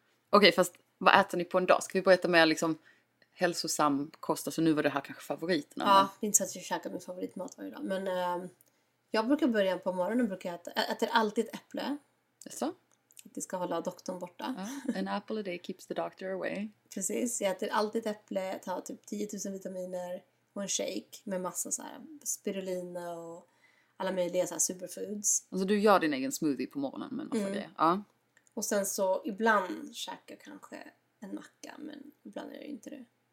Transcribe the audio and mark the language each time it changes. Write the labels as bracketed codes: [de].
[sv] Okej, fast vad äter ni på en dag? Ska vi börja äta med liksom hälsosam kost? Alltså nu var det här kanske favoriten. Ja, men det är inte så att jag käkar min favoritmat varje dag. Men jag brukar börja på morgonen. Brukar jag äter alltid ett äpple. Så? Att det ska hålla doktorn borta. [en] An apple a day keeps the doctor away. [sv] Precis, jag äter alltid ett äpple, tar typ 10 000 vitaminer och en shake med massa så här spirulina och alla möjliga så här superfoods. Alltså du gör din egen smoothie på morgonen med något av det. Ja. Och sen så ibland käkar jag kanske en macka, men ibland är jag inte det.